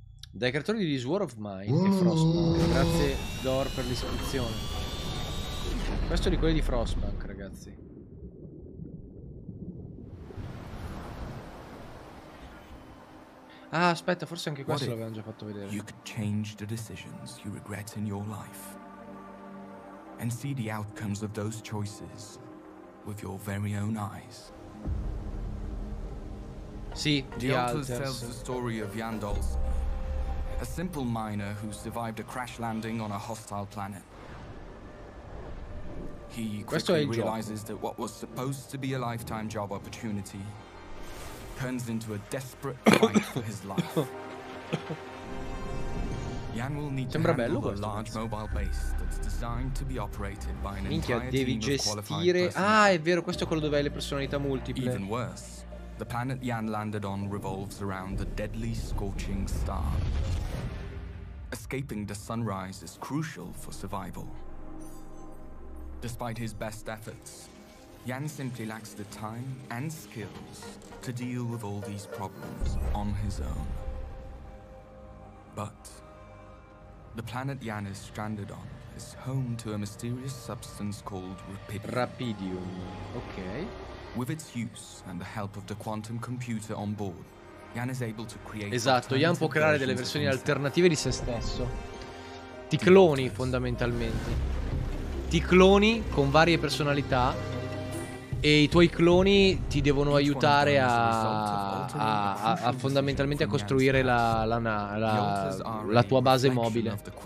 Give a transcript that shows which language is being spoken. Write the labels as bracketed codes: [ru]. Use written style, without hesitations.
[it] Dai creatori di This War of Mine e Frostpunk, grazie Dor per l'iscrizione. Questo è di quelli di Frostpunk, ragazzi. Ah, aspetta, forse anche questo l'avevano già fatto vedere. [en] You could change the decisions you regret in your life and see the outcomes of those choices with your very own eyes. Sì, The Altars tells the story of Yandolf, a simple miner who survived a crash landing on a hostile planet. He quickly realizes that what was supposed to be a lifetime job opportunity turns into a desperate fight for his life. Yan will need to handle a large mobile base that's designed to be operated by an entire team of qualified personnel. Minchia, devi gestire... [it] Ah, è vero, questo è quello dove hai le personalità multiple. [en] Even worse, the planet Yan landed on revolves around the deadly scorching star. Escaping the sunrise is crucial for survival. Despite his best efforts, Yan simply lacks the time and skills to deal with all these problems on his own. But the planet Yan is stranded on is home to a mysterious substance called Rapidium. Okay. With its use and the help of the quantum computer on board, Yan is able to create... [it] Esatto, Yan può creare delle versioni alternative di se stesso. Ti cloni, fondamentalmente. Ti cloni con varie personalità e i tuoi cloni ti devono aiutare a fondamentalmente a costruire la tua base mobile.